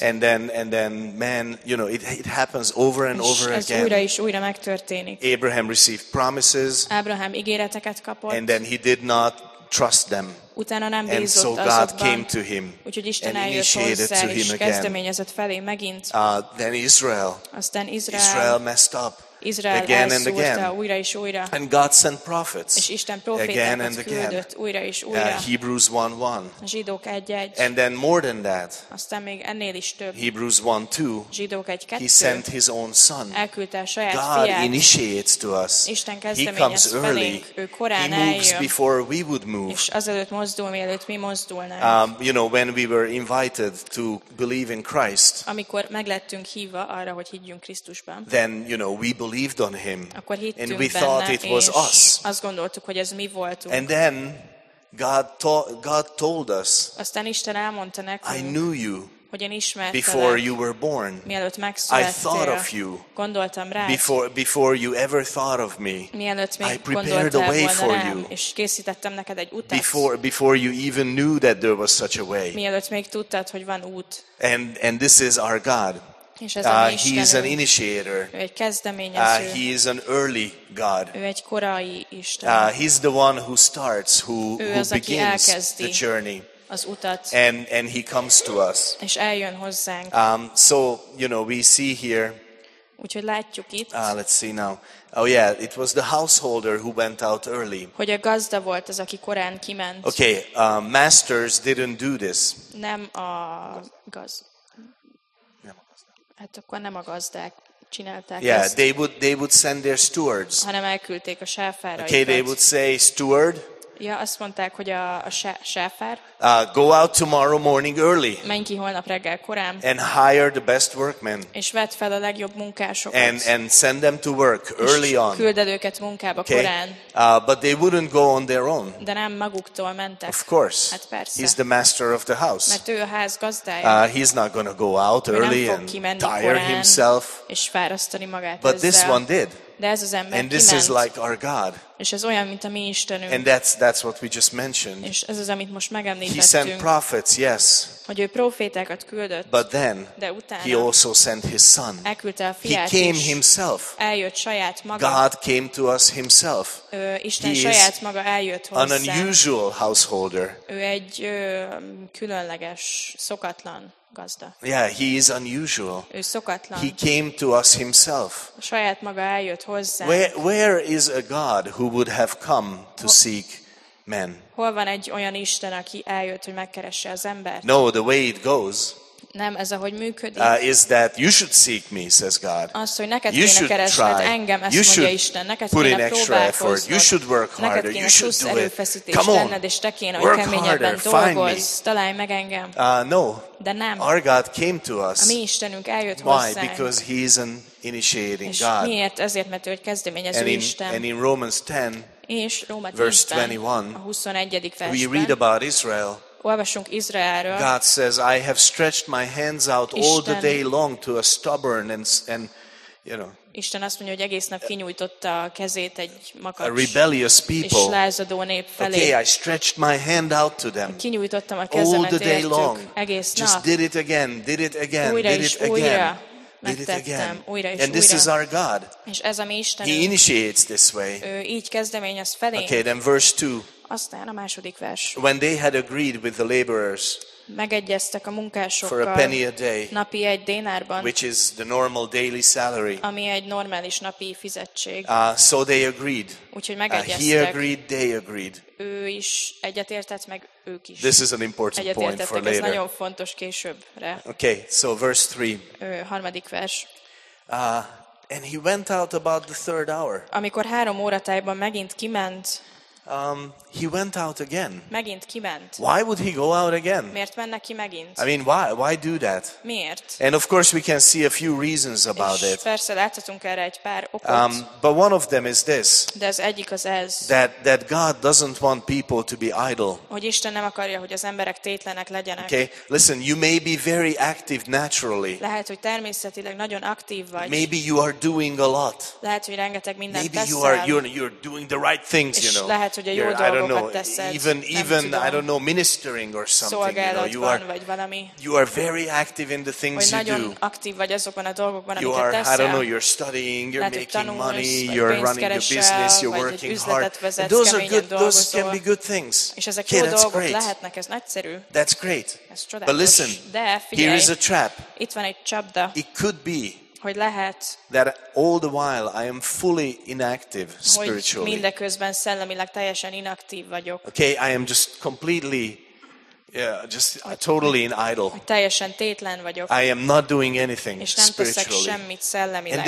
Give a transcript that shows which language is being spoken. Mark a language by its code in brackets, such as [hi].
[en] And then man, you know, it happens over and over again. [hu] Újra és újra megtörténik. [en] Abraham received promises. [hu] Abraham ígéreteket kapott. [en] And then he did not trust them. [hu] Utána nem bízott azokban. [en] And so God came to him. [hu] Úgyhogy Isten eljött hozzá, és kezdeményezett felé megint. [en] Then Israel. [hu] Aztán Izrael. [en] Israel messed up. Israel again and again. [hu] Újra és újra. [en] And God sent prophets. [hu] És Isten prófétákat küldött újra és újra. [en] Hebrews 1:1. [hu] Zsidók 1:1. [en] And then more than that. [hu] Aztán még ennél is több. [en] Hebrews 1:2. [hu] Zsidók 1:2. [en] He sent his own son. [hu] Elküldte saját fiát. [en] God initiates to us. [hu] Isten kezdeményez felénk. Ő korán eljön. [en] He moves before we would move. [hu] És azelőtt mozdul, mielőtt mi mozdulnánk. [en] You know, when we were invited to believe in Christ. [hu] Amikor meglettünk hívva arra, hogy higgyünk Krisztusban. [en] Then, you know, we believed on him and we [hu] benne, [en] thought it was us. [hu] Azt gondoltuk, hogy ez mi voltunk. [en] And then God told us, [hu] aztán Isten elmondta nekünk, [en] I knew you [hu] hogy én ismertelek, [en] before you were born. [hu] Mielőtt megszülettél, [en] I thought of you [hu] gondoltam rád, [en] before you ever thought of me. [hu] Mielőtt még [en] I prepared a way for [hu] rám, [en] you. [hu] És készítettem neked egy utat. [en] Before you even knew that there was such a way. [hu] Mielőtt még tudtad, hogy van út. [en] And this is our God. He is an initiator. [hu] Ő egy kezdeményező. [en] He is an early God. [hu] Ő egy korai Isten. [en] He's the one who starts, who [hu] az, [en] begins the journey. [hu] Az utat. [en] And he comes to us. [hu] És eljön hozzánk. [en] So, you know, we see here. [hu] Úgyhogy látjuk itt. [en] Let's see now. Oh yeah, it was the householder who went out early. [hu] Hogy a gazda volt az, aki korán kiment. [en] Okay, masters didn't do this. [hu] Nem a gazda. Hát akkor nem a gazdák csinálták [en] yeah, [hu] ezt. [en] Yeah, they would send their stewards. [hu] Hanem elküldték a sáfáraikat. [en] Okay, they would say steward. [hu] Ja, azt mondták, hogy a séfer. [en] Go out tomorrow morning early. [hu] Menj ki holnap reggel korán. [en] And hire the best workmen. [hu] És vedd fel a legjobb munkásokat. [en] And send them to work early on. [hu] És küldd őket munkába korán. [en] But they wouldn't go on their own. [hu] De nem maguktól mentek. [en] Of course. [hu] Hát persze. [en] He's the master of the house. [hu] Mert ő a ház gazdája. [en] He's not gonna go out early and tire himself. [hu] És fárasztani magát ezzel. [en] But this one did. [hu] De ez az ember [en] and this [hu] kiment, [en] is like our God. [hu] És ez olyan, mint a mi Istenünk. [en] And that's what we just mentioned. [hu] És ez az, amit most megemlítettünk. [en] He sent prophets, yes. [hu] Hogy ő prófétákat küldött. [en] But then, [hu] de utána, [en] he also sent his son. [hu] Elküldte a fiát [en] he came himself. [hu] Eljött saját maga. [en] God came to us himself. [hu] Isten saját maga eljött hozzá. [en] An unusual householder. [hu] Ő egy különleges, szokatlan. Gazda. [en] Yeah, he is unusual. [hu] Ő szokatlan. [en] He came to us himself. [hu] Saját maga eljött hozzá. [en] Where is a God who would have come to seek men? [hu] Hol van egy olyan Isten, aki eljött, hogy megkeresse az embert? [en] No, the way it goes. [hu] Nem ez ahogy működik. [en] Is that you should seek me, says God. [hu] Azt, hogy neked kéne keresned engem, ezt mondja Isten. Neked kéne próbálkozni. [en] You should work harder. You should do it. Come on. [hu] És te kéne, hogy keményebben dolgozz. Találj meg engem. [en] No. [hu] De nem. [en] Our God came to us. [hu] A mi Istenünk eljött hozzánk. [en] Why? Because he is an initiating God. [hu] Miért? Ezért, mert ő egy kezdeményező Isten. [en] And in Romans 10, verse 21, we read about Israel. [hu] Olvasunk Izraelről. [en] God says, I have stretched my hands out [hu] Isten, [en] all the day long to a stubborn and you know. [hu] Isten azt mondja, hogy egész nap kinyújtotta a kezét egy makacs. [en] A rebellious people. [hu] És lázadó nép felé. [en] Okay, I stretched my hand out to them. [hu] Kinyújtottam a kezemet [en] all the day long. [hu] Egész nap. [en] Just did it again. [hu] Újra [en] did it again. [hu] Újra. Megtettem, újra és [en] and this [hu] újra. [en] Is our God. [hu] És ez a mi Istenünk. [en] He initiates this way. [hu] Ő így kezdeményez felé. [en] Okay, then verse 2. [hu] Aztán a második vers. [en] When they had agreed with the laborers. [hu] Megegyeztek a munkásokkal. [en] For a penny a day. [hu] Napi egy dénárban. [en] Which is the normal daily salary. [hu] Ami egy normális napi fizetség. [en] So they agreed. [hu] Úgyhogy megegyeztek. [en] He agreed, they agreed. [hu] Ő is egyetértett, meg ők is. [en] This is an important point for later. [hu] Ez nagyon fontos későbbre. [en] Okay, so verse 3. [hu] Harmadik vers. [en] And he went out about the third hour. [hu] Amikor három óratájban megint kiment. [en] He went out again. [hu] Megint kiment. [en] Why would he go out again? [hu] Miért menne ki megint? [en] I mean, why do that? [hu] Miért? [en] And of course we can see a few reasons about it. [hu] Persze láthatunk erre egy pár okot. [en] But one of them is this. [hu] De az egyik az ez. [en] That God doesn't want people to be idle. [hu] Hogy Isten nem akarja, hogy az emberek tétlenek legyenek. [en] Okay, listen, you may be very active naturally. [hu] Lehet, hogy természetileg nagyon aktív vagy. [en] Maybe you are doing a lot. [hu] Lehet, hogy rengeteg mindent teszel. [en] Maybe you're doing the right things, you know. I don't know, [hu] teszed, [en] even I don't know, ministering or something, you know, you are very active in the things [hu] vagy [en] you do. [hu] Aktív vagy azokban a dolgokban, [en] you [hu] amiket [en] are, [hu] teszel. [en] I don't know, you're studying, you're [hu] lehet, [en] making money, you're running your business, you're working hard. And those are good, those can be good things. [hu] És ezek okay, jó [en] that's [hu] dolgok [en] great. [hu] Lehetnek, ez nagyszerű. [en] That's great. [hu] Ez [en] but listen, [hu] de, figyelj, [en] here is a trap. [hu] Itt van egy csapda. [en] It could be. [hu] Hogy lehet, [en] that all the while I am fully inactive spiritually. [hu] Hogy mindeközben szellemileg teljesen inaktív vagyok. [en] Okay, I am just completely, just totally in idle. [hu] Teljesen tétlen vagyok. [en] I am not doing anything spiritually. [hu] És nem teszek semmit szellemileg.